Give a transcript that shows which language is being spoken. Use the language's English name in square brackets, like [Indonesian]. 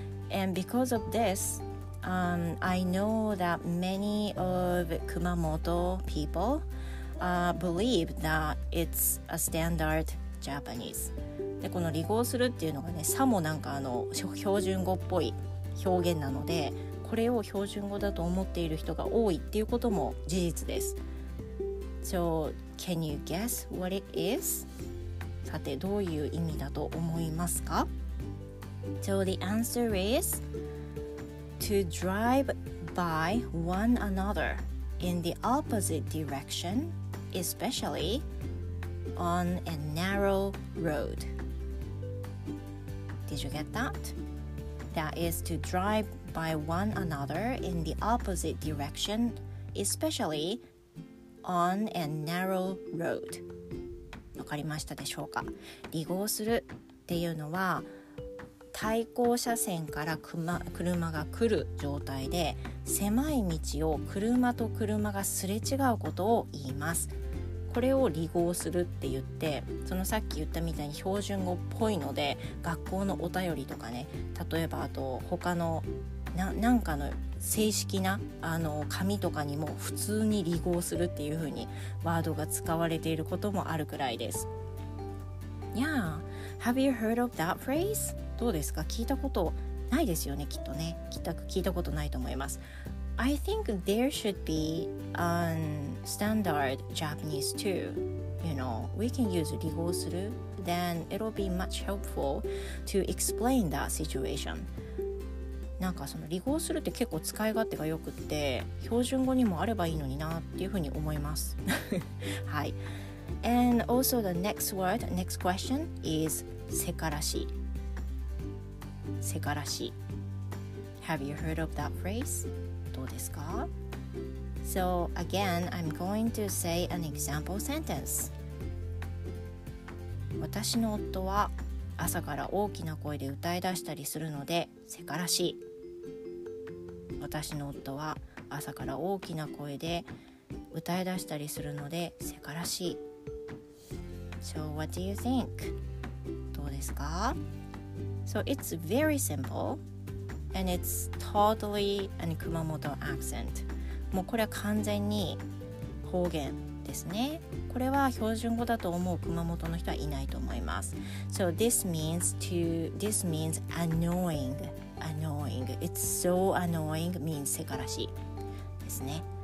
[English] And because of this, I know that many of Kumamoto people believe that it's a standard Japanese. [Japanese] で、この離合するっていうのがね、さもなんか標準語っぽい表現なので、これを標準語だと思っている人が多いっていうことも事実です。 [English] So, can you guess what it is? [Japanese] さて、どういう意味だと思いますか? [English] So, the answer is to drive by one another in the opposite direction, especially on a narrow road. Did you get that? That is to drive by one another in the opposite direction, especially on a narrow road. [Japanese] わかりましたでしょうか。離合するっていうのは対向車線から車が来る状態で狭い道を車と車がすれ違うことを言います。これを離合するって言って、そのさっき言ったみたいに標準語っぽいので学校のお便りとかね、例えばあと他の何かの正式な紙とかにも普通に離合するっていう風にワードが使われていることもあるくらいです。 [English] Yeah, have you heard of that phrase? [Japanese] どうですか、聞いたことないですよね、きっとね、聞いたことないと思います。 [English] I think there should be a standard Japanese too. You know, we can use 離合する then it'll be much helpful to explain that situation. [Japanese] なんかその離合するって結構使い勝手がよくって標準語にもあればいいのになっていうふうに思います。はい。 [English] And also the next word, next question is せからし [Japanese] せからし [English] Have you heard of that phrase? [Japanese] どうですか? [English] So again, I'm going to say an example sentence. [Japanese] 私の夫は朝から大きな声で歌い出したりするのでせからしい。私の夫は朝から大きな声で歌い出したりするのでせからしい。 [English] So what do you think? [Japanese] どうですか? [English] So it's very simple and it's totally a Kumamoto accent. [Japanese] もうこれは完全に方言ですね。これは標準語だと思う熊本の人はいないと思います。 [English] So this means annoying. Annoying. It's so annoying means せからし [Japanese] ですね。